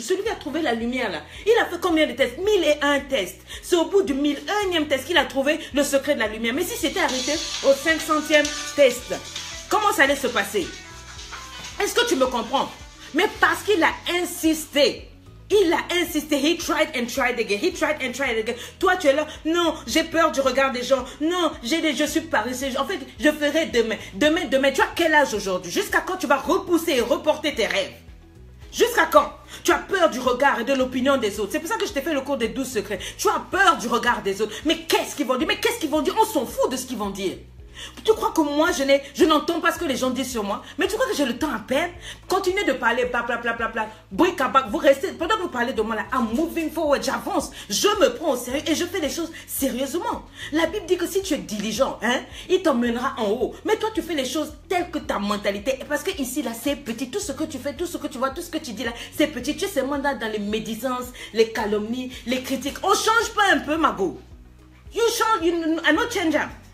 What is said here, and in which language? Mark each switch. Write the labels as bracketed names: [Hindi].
[French] Celui qui a trouvé la lumière là, il a fait combien de tests? 1001 tests. C'est au bout du 1001e test qu'il a trouvé le secret de la lumière. Mais si c'était arrêté au 500e test, comment ça allait se passer? Est-ce que tu me comprends? Mais parce qu'il a insisté. Il a insisté, [English] he tried and tried again, [French] he tried and tried again. Toi, tu es là, non, j'ai peur du regard des gens, non, je suis paresseux. En fait, je ferai demain. Tu as quel âge aujourd'hui? Jusqu'à quand tu vas repousser et reporter tes rêves? Jusqu'à quand? Tu as peur du regard et de l'opinion des autres. C'est pour ça que je t'ai fait le cours des 12 secrets. Tu as peur du regard des autres. Mais qu'est-ce qu'ils vont dire? On s'en fout de ce qu'ils vont dire. Tu crois que moi je n'entends pas ce que les gens disent sur moi? Mais tu crois que j'ai le temps à perdre? Continuez de parler, blablabla, bricabac, vous restez, pendant que vous parlez de moi là, [English] I'm moving forward, [French] j'avance, je me prends au sérieux et je fais les choses sérieusement. La Bible dit que si tu es diligent, hein, il t'emmènera en haut. Mais toi tu fais les choses telles que ta mentalité, parce que ici là c'est petit, tout ce que tu fais, tout ce que tu vois, tout ce que tu dis là, c'est petit. Tu es seulement là dans les médisances, les calomnies, les critiques. On change pas un peu, Mago? [English] You change, I'm not changing.